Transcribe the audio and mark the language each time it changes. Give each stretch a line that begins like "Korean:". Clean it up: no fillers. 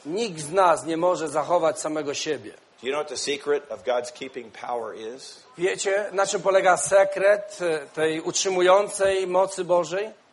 Polish: Nikt z nas nie może zachować samego siebie.
English: Do you know what the secret of God's keeping power is?
Polish: Wiecie, na czym polega sekret tej utrzymującej mocy Bożej?